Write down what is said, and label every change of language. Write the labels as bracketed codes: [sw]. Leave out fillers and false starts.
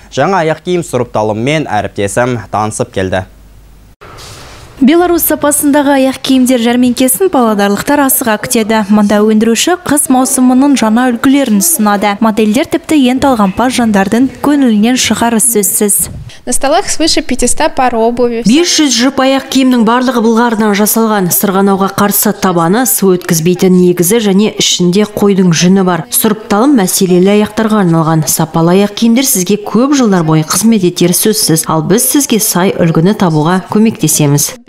[kk] Жаңа аяқ киім сұрыпталыммен әріптесім танысып келді. Беларусь сапасындағы аяқ киімдер жәрменкесін павлодарлықтар асыға күтеді. Мұнда өндіруші қыс маусымының жаңа үлгілерін ұсынады. Модельдер тіпті ең талғампаз жандардың көңілінен шығары сөзсіз. [ru] На столах свыше 500 пар обуви. [kk] 500 жып аяқ киімнің барлығы былғарыдан жасалған. Сырғанауға қарсы табаны, су өткізбейтін негізі және ішінде қойдың жүні бар. Сұрыпталым мәселелі аяқтарға арналған. Сапалы аяқ киімдер сізге көп жылдар бойы қызмет етері сөзсіз. Ал біз сізге сай үлгіні табуға көмектесеміз.